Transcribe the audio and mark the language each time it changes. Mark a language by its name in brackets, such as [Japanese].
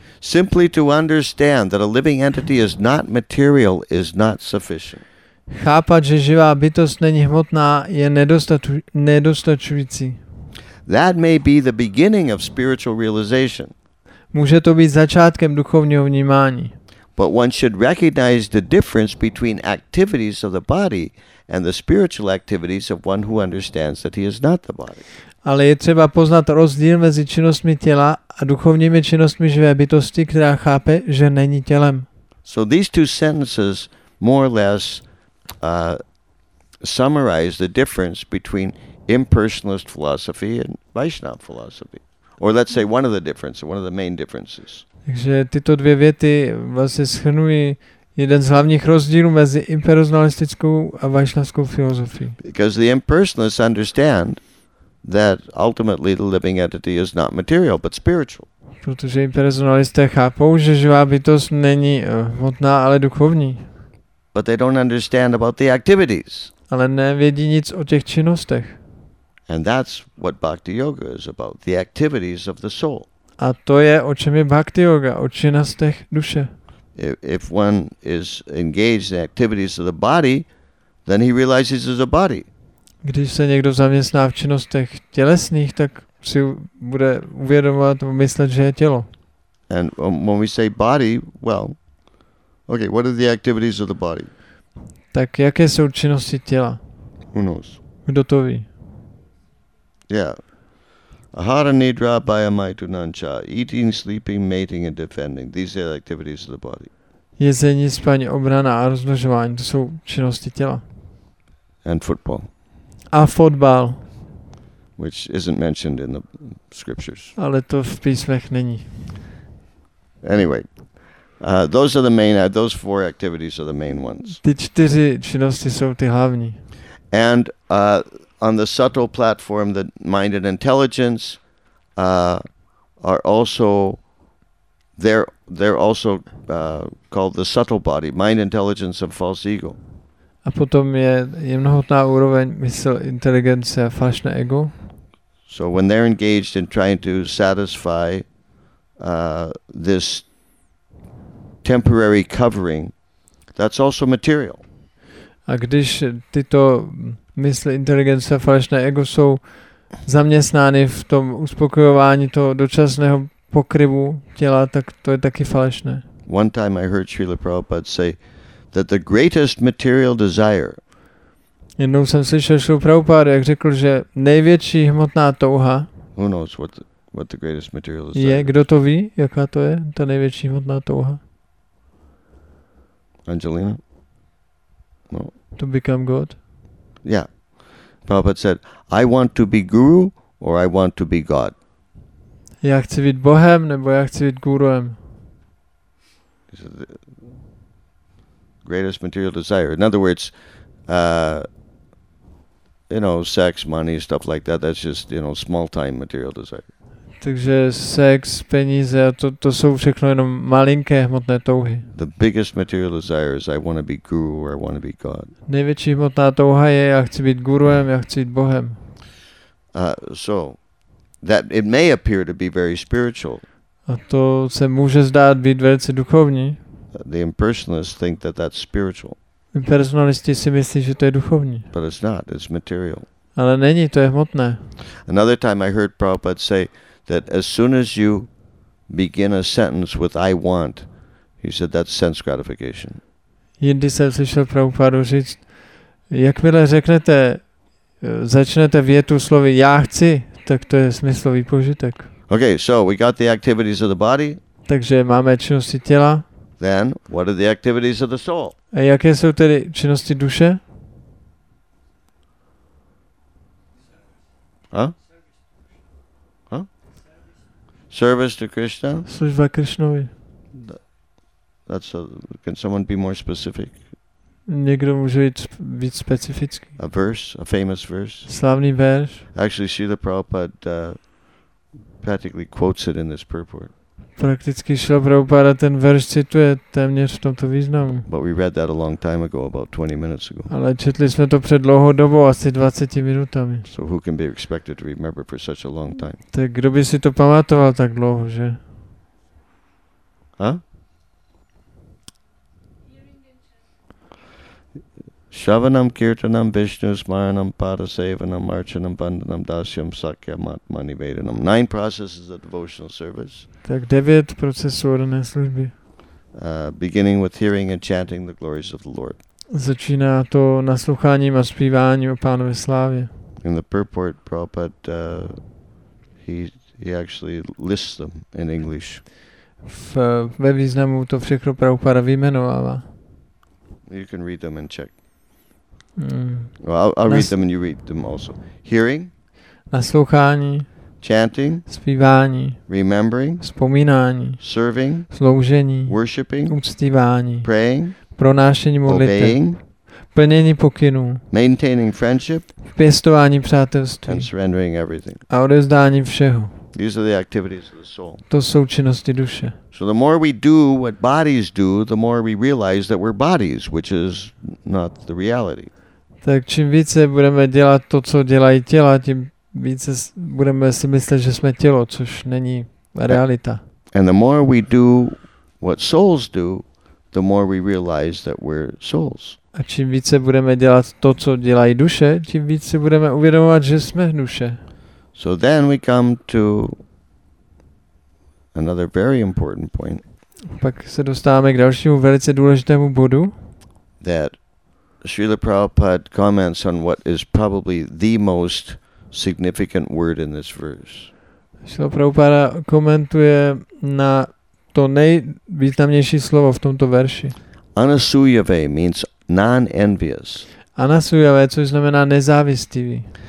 [English] Simply to understand that a living entity is not material is not sufficient. [Czech] Chápat, že živá bytost není hmotná, je nedostačující. [English] That may be the beginning of spiritual realization. [Czech] Může to být začátkem duchovního vnímání. [English] But one should recognize the difference between activities of the body and the spiritual activities of one who understands that he is not the body. [Czech] Ale je třeba poznat rozdíl mezi činnostmi těla a duchovními činnostmi živé bytosti, která chápe, že není tělem. [English] So these two sentences more or less summarize the difference between impersonalist philosophy and Vaishnav philosophy. Or let's say one of the differences, one of the main differences. [Czech] Takže tyto dvě věty vlastně shrnují jeden z hlavních rozdílů mezi impersonalistickou a vaishnavskou filozofií. [English] Because the impersonalists understand that ultimately the living entity is not material but spiritual. [Czech] Protože impersonalisté chápou, že živá bytost není hmotná, ale duchovní. [English] But they don't understand about the activities. [Czech] Ale nevědí nic o těch činnostech. [English] And that's what bhakti yoga is about, the activities of the soul. [Czech] A to je, o čem je bhakti yoga, o činnostech duše. [English] If one is engaged in activities of the body, then he realizes he's a body. [Czech] Když se někdo zaměstná v činnostech tělesných, tak si bude uvědomovat a myslet, že je tělo. [English] And when we say body, well, okay, what are the activities of the body? [Czech] Tak jaké jsou činnosti těla? [English] Who knows? [Czech] Kdo to ví? [English] Yeah. [Sanskrit] Ahara, nidra, abhyamaitu, nancha. [English] Eating, sleeping, mating and defending. These are the activities of the body. [Czech] Jezení, spaní, obrana a rozmnožování. To jsou činnosti těla. [English] And football. [Czech] A fotbal. [English] Which isn't mentioned in the scriptures. [Czech] Ale to v písmech není. [English] Anyway. Those are the main, those four activities are the main ones. [Czech] Ty čtyři činnosti jsou ty hlavní. [English] And on the subtle platform, the mind and intelligence are also they're also called the subtle body, mind, intelligence, and false ego. [Czech] A potom je jemnohotná úroveň mysl, inteligence a falešné ego. [English] So when they're engaged in trying to satisfy this temporary covering, that's also material. [Czech] A když tyto mysl, inteligence a falešné ego jsou zaměstnány v tom uspokojování toho dočasného pokryvu těla, tak to je taky falešné. [English] One time I heard Srila Prabhupada say that the greatest material desire. [Czech] Jednou jsem slyšel Srila Prabhupada, jak řekl, že největší hmotná touha. [English] Who knows what the greatest material desire? [Czech] Je, kdo to ví, jaká to je ta největší hmotná touha? [English] Angelina? No. To become God? Yeah. Prabhupada said, I want to be guru or I want to be God. [Czech] Já chci být Bohem nebo já chci být guruem. [English] Greatest material desire. In other words, you know, sex, money, stuff like that, that's just, you know, small time material desire. [Czech] Takže sex, peníze, to jsou všechno jenom malinké hmotné touhy. [English] The biggest material desire is I want to be guru or I want to be God. [Czech] Největší hmotná touha je, já chci být guruem, já chci být Bohem. [English] So that it may appear to be very spiritual. [Czech] A to se může zdát být velice duchovní. [English] The impersonalists think that that's spiritual. [Czech] Impersonalisti si myslí, že to je duchovní. [English] But it's not, it's material. [Czech] Ale není, to je hmotné. [English] Another time I heard Prabhupada say that as soon as you begin a sentence with I want, he said that's sense gratification. [Czech] Jindy jsem slyšel Prabhupádu říct, jakmile řeknete, začnete větu slovy já chci, tak to je smyslový požitek. [English] Okay, so we got the activities of the body. [Czech] Takže máme činnosti těla. [English] Then, what are the activities of the soul? [Czech] A jaké jsou tedy činnosti duše? Huh? [English] Service to Krishna. [Czech] Služba Krishnovi. [English] That's a, can someone be more specific? [Czech] Někdo může být víc specifický. [English] A verse, a famous verse. [Czech] Slavný verš. [English] Actually, Srila Prabhupada practically quotes it in this purport. [Czech] Prakticky Srila Prabhupada ten verš cituje téměř v tomto významu. [English] But we read that a long time ago, about 20 minutes ago. [Czech] Ale četli jsme to před dlouhou dobou, asi 20 minutami. [English] So who can be expected to remember for such a long time? [Czech] Tak kdo by si to pamatoval tak dlouho, že? Huh? [Sanskrit] Shravanam kirtanam vishnu smaranam padasevanam archanam bandanam dasyam sakyam atmani vedanam. [English] 9 processes of devotional service. [Czech] Tak 9 procesů orné služby. [English] Beginning with hearing and chanting the glories of the Lord. [Czech] Začíná to nasloucháním a zpíváním o Pánové slávě. [English] In the purport, Prabhupada, he actually lists them in English. [Czech] Ve významu to všechno Prabhupada vyjmenovává. [English] You can read them in Czech. I'll read them and you read them also. Hearing, [Czech] naslouchání, [English] chanting, [Czech] zpívání, [English] remembering, [Czech] vzpomínání, [English] serving, [Czech] sloužení, [English] worshiping, [Czech] uctívání, [English] praying, [Czech] pronášení modlitby, [English] obeying, [Czech] plnění pokynů, [English] maintaining friendship, [Czech] pěstování přátelství, [English] and surrendering everything. [Czech] A odevzdání všeho. [English] These are the activities of the soul. [Czech] To jsou činnosti duše. [English] So the more we do what bodies do, the more we realize that we're bodies, which is not the reality. [Czech] Tak čím více budeme dělat to, co dělají těla, tím více budeme si myslet, že jsme tělo, což není realita. [English] And the more we do what souls do, the more we realize that we're souls. [Czech] A čím více budeme dělat to, co dělají duše, tím více budeme uvědomovat, že jsme duše. [English] So then we come to another very important point. [Czech] Pak se dostáváme k dalšímu velice důležitému bodu. [English] That Srila Prabhupada comments on what is probably the most significant word in this verse. [Czech] Srila Prabhupada komentuje na to nejvýznamnější slovo v tomto verši. [English] Anasuyave means non-envious. [Czech] Anasuyave, což znamená nezávistivý.